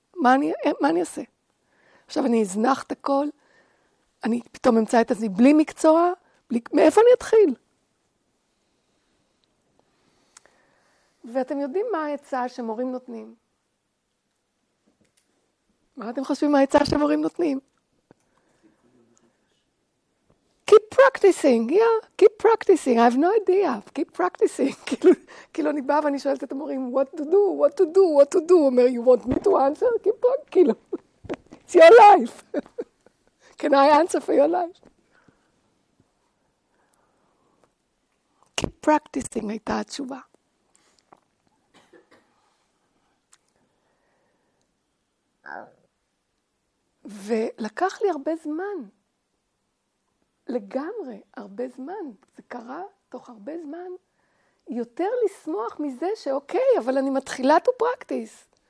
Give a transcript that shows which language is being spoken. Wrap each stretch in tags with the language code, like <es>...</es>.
<he>מה אני אעשה? עכשיו אני אזנח את הכל, אני פתאום אמצא את עצמי בלי מקצוע, מאיפה אני אתחיל? ואתם יודעים מה ההצעה שמורים נותנים? מה אתם חושבים מה ההצעה שמורים נותנים?</he> <en>Keep practicing, yeah, keep practicing, I have no idea, keep practicing.</en> <he>כאילו אני באה ואני שואלת את המורים,</he> <en>what to do, what to do, what to do,</en> <he>אומר,</he> <en>you want me to answer? Keep practicing,</en> <he>כאילו,</he> <en>it's your life. Can I answer for your life? Keep practicing</en> <he>הייתה התשובה. ולקח לי הרבה זמן. לגמרי, הרבה זמן, זה קרה תוך הרבה זמן, יותר לשמוח מזה שאוקיי, אבל אני מתחילה</he> <en>to practice.</en>